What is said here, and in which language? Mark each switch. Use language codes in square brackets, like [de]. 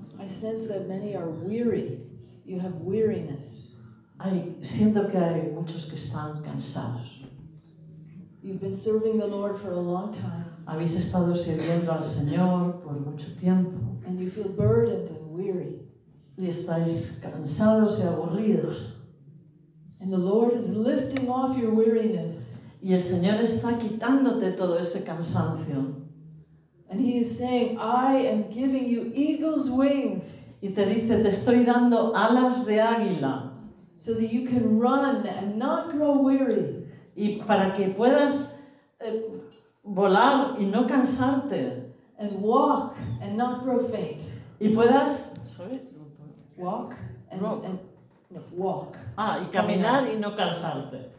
[en] Sense that many are weary. You have weariness. [es] Ay, siento que hay muchos que están cansados. [en] You've been serving the Lord for a long time. [es] Habéis estado sirviendo al Señor por mucho tiempo. [en] And you feel burdened and weary. [es] Y estáis cansados y aburridos. [en] And the Lord is lifting off your weariness. [es] Y el Señor está quitándote todo ese cansancio. [en] And he is saying, I am giving you eagle's wings. [es] Y te dice, te estoy dando alas de águila. [en] So that you can run and not grow weary. [es] Y para que puedas volar y no cansarte. [en] And walk and not grow faint. [es] Y puedas [en] walk and, walk. [es] Ah, y caminar y no cansarte.